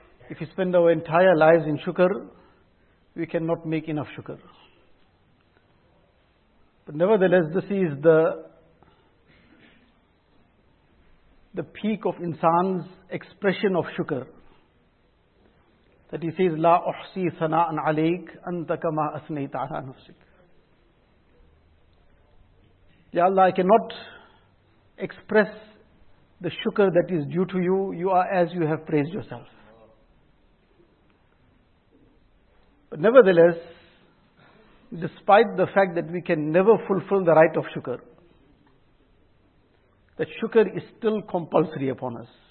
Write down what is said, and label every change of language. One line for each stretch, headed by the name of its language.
English: If we spend our entire lives in shukr, we cannot make enough shukr. But nevertheless, this is the peak of insan's expression of shukr. That he says,
Arabic: لا أحصي ثناء عليك أنت كما أثنيت على نفسك.
English: Ya Allah, I cannot express the shukr that is due to you. You are as you have praised yourself. But nevertheless, despite the fact that we can never fulfill the right of shukr, that shukr is still compulsory upon us.